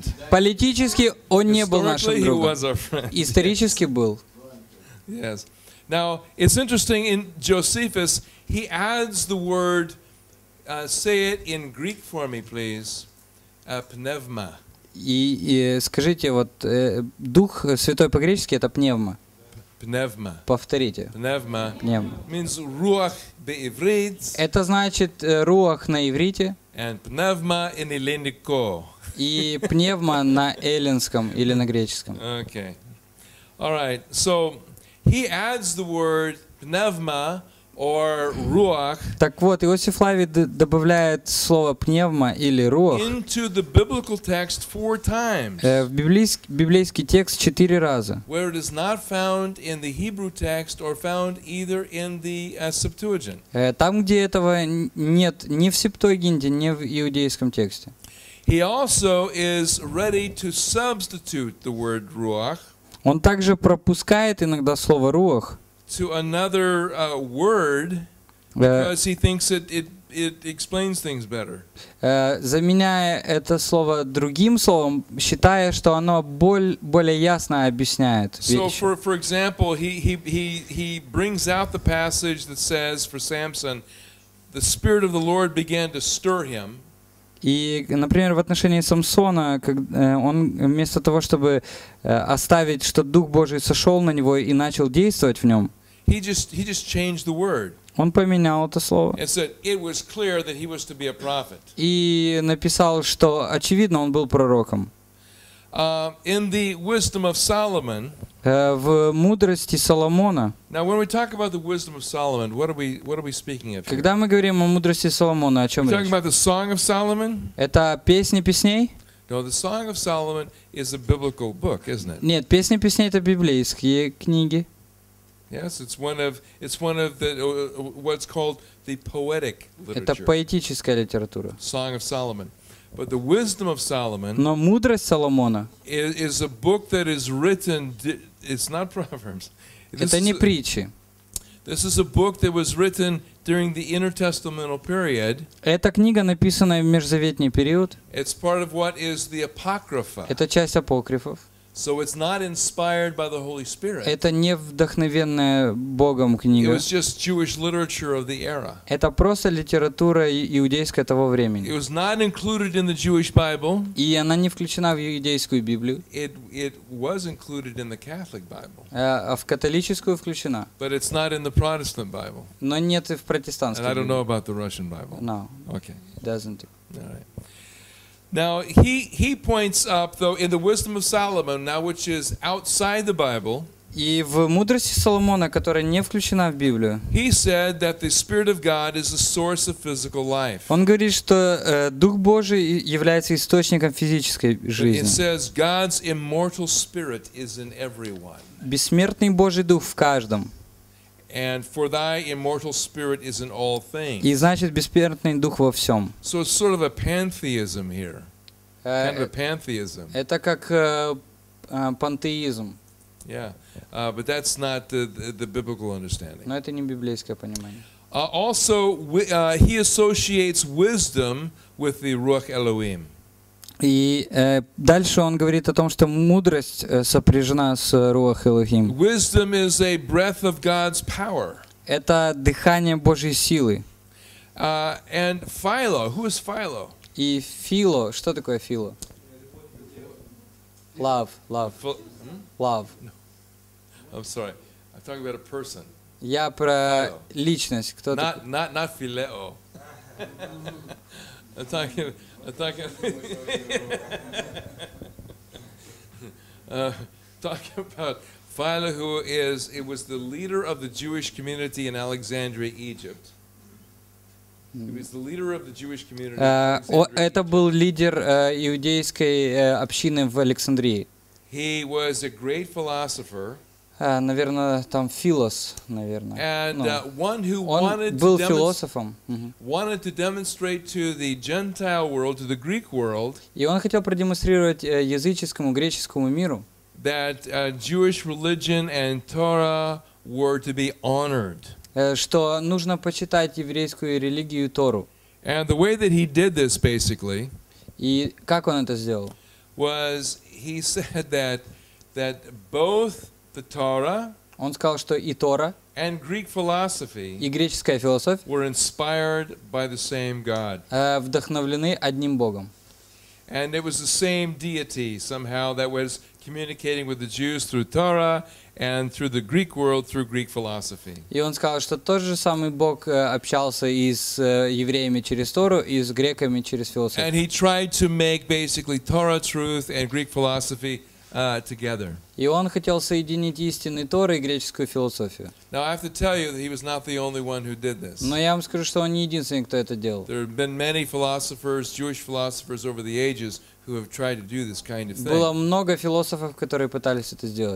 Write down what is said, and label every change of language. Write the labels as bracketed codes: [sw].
[ru] Политически он не был нашим другом. Исторически был. [en] Yes. Now it's interesting in Josephus he adds the word. Say it in Greek for me, please. [ru] Пневма. И скажите вот дух святой по-гречески это пневма. Пневма. Повторите. Пневма. Пневма. [en] Means руах be [ru] иврит. Это значит руах на иврите. [en] And pneuma in elliniko. [ru] И пневма на эллинском или на греческом. [en] Okay. All right. So he adds the word pneuma or ruach. [ru] Так вот, Иосиф Флавий добавляет слово пневма или руах. [en] Into the biblical text four times. [ru] В библейский текст четыре раза. [en] Where it is not found in the Hebrew text or found either in the Septuagint. [ru] Там, где этого нет ни в Септуагинте, ни в иудейском тексте. [en] He also is ready to substitute the word ruach. [ru] Он также пропускает иногда слово руах. [en] To another word, because he thinks it explains things better. [ru] Заменяя это слово другим словом, считая, что оно более ясно объясняет. [en] So, for example, he brings out the passage that says for Samson, the spirit of the Lord began to stir him. [ru] И, например, в отношении Самсона, он вместо того, чтобы оставить, что Дух Божий сошел на него и начал действовать в нем. [en] He just changed the word. [ru] Он поменял это слово. [en] And said it was clear that he was to be a prophet. [ru] И написал, что очевидно, он был пророком. [en] In the wisdom of Solomon. [ru] В мудрости Соломона. [en] Now when we talk about the wisdom of Solomon, what are we speaking of? [ru] Когда мы говорим о мудрости Соломона, о чем речь? [en] We're talking about the Song of Solomon. [ru] Это песни песней? [en] No, the Song of Solomon is a biblical book, isn't it? [ru] Нет, песни песней это библейские книги. [en] Yes, it's one of the what's called the poetic literature. [ru] Это поэтическая литература. [en] Song of Solomon, but the wisdom of Solomon. [ru] Но мудрость Соломона. [en] Is a book that is written. It's not proverbs. [ru] Это не притчи. [en] This is a book that was written during the intertestamental period. [ru] Эта книга написана в межзаветный период. [en] It's part of what is the apocrypha. [ru] Это часть апокрифов. [en] So it's not inspired by the Holy Spirit. [ru] Это не вдохновенная Богом книга. [en] It was just Jewish literature of the era. [ru] Это просто литература иудейская того времени. [en] It was not included in the Jewish Bible. [ru] И она не включена в иудейскую Библию. [en] It was included in the Catholic Bible. [ru] А в католическую включена. [en] But it's not in the Protestant Bible. [ru] Но нет и в протестантской Библии. [en] And I don't know about the Russian Bible. No. Okay. Doesn't. All right. Now he points up though in the wisdom of Solomon now which is outside the Bible. [ru] И в мудрости Соломона, которая не включена в Библию. [en] He said that the Spirit of God is a source of physical life. [ru] Он говорит, что Дух Божий является источником физической жизни. [en] It says God's immortal Spirit is in everyone. [ru] Бессмертный Божий Дух в каждом. [en] And for thy immortal spirit is in all things. [ru] И значит бессмертный дух во всем. [en] So it's sort of a pantheism here. Kind of a pantheism. [ru] Это как пантеизм. [en] Yeah, but that's not the biblical understanding. [ru] Но это не библейское понимание. [en] Also, he associates wisdom with the Ruach Elohim. [ru] И дальше он говорит о том, что мудрость сопряжена с Руах Элохим. [en] Wisdom is a breath of God's power. [ru] Это дыхание Божьей силы. [en] And Philo, who is Philo? [ru] И Фило, что такое Фило? [en] Love, love, love. I'm sorry, I'm talking about a person. [ru] Я про личность. Кто [en] not, [ru] такой? [en] Not [ru] Филео. [en] I'm talking about Philo, who is, it was the leader of the Jewish community in Alexandria, Egypt. He was the leader of the Jewish community. [ru] Это был лидер иудейской общины в Александрии. [en] He was a great philosopher. [ru] Наверное, там филос, наверное. [en] And one who [ru] он [en] wanted [ru] был [en] to [ru] философом. [en] Wanted to demonstrate to the Gentile world, to the Greek world. [ru] И он хотел продемонстрировать языческому, греческому миру. [en] That Jewish religion and Torah were to be honored. [ru] Что нужно почитать еврейскую религию Тору. [en] And the way that he did this, basically, [ru] и как он это сделал? [en] Was he said that both the Torah, [ru] он сказал, что и Тора, [en] and Greek philosophy, [ru] и греческая философия, [en] were inspired by the same God. [ru] Вдохновлены одним Богом. [en] And it was the same deity somehow that was communicating with the Jews through Torah and through the Greek world through Greek philosophy. [ru] И он сказал, что тот же самый Бог общался и с евреями через Тору, и с греками через философию. [en] And he tried to make basically Torah truth and Greek philosophy together. [ru] И он хотел соединить истинный Торы и греческую философию. [en] Now I have to tell you that he was not the only one who did this. [ru] Но я вам скажу, что он не единственный, кто это делал. [en] There have been many philosophers, Jewish philosophers over the ages who have tried to do this kind of thing. [ru] Было много философов, которые пытались это сделать.